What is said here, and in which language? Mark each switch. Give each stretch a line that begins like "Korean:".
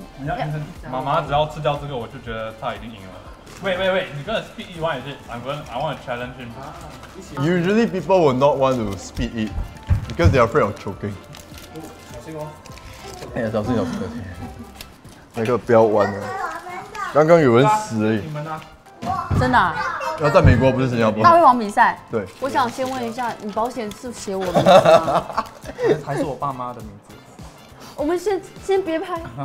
Chinese: 你要妈妈只要吃掉这个，我就觉得他已经赢了。
English: Wait，
Chinese: 你跟
English: speed eat
Chinese: 也是
English: ？I want to challenge him. Usually people will not want to speed eat because they are afraid of choking.
Chinese: 小心哦！哎呀，小心！那个不要弯了，刚刚有人死而已。你们呢？真的、啊？要在美国不是新加坡？大胃王比赛。对，我想先问一下，你保险是写我的名字吗？还是我爸妈的名字？我们先别拍。